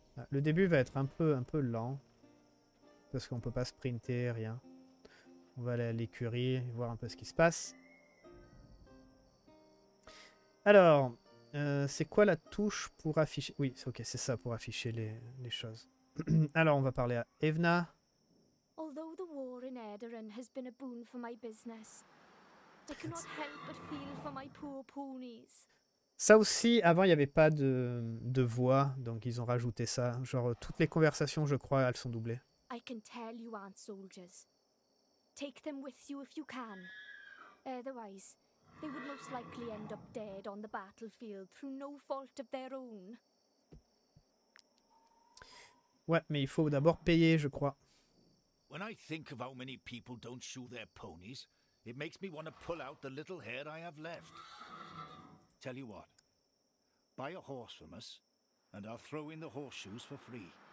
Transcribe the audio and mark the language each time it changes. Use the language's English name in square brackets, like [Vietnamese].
[French] Le début va être un peu lent, parce qu'on peut pas sprinter, rien. On va aller à l'écurie, voir un peu ce qui se passe. Alors, c'est quoi la touche pour afficher... Oui, ok, c'est ça, pour afficher les choses. Alors, on va parler à Evna. [English] Although the war in Edoran has been a boon for my business, I cannot help but feel for my poor ponies. [French] Ça aussi, avant, il n'y avait pas de voix, donc ils ont rajouté ça. Genre, toutes les conversations, je crois, elles sont doublées. [English] I can tell you aren't soldiers. Take them with you if you can. Otherwise, they would most likely end up dead on the battlefield through no fault of their own. [French] Ouais, mais il faut d'abord payer, je crois. [English] When I think of how many people don't shoe their ponies, it makes me want to pull out the little hair I have left. Tell you what, buy a horse from us, and I'll throw in the horseshoes for free.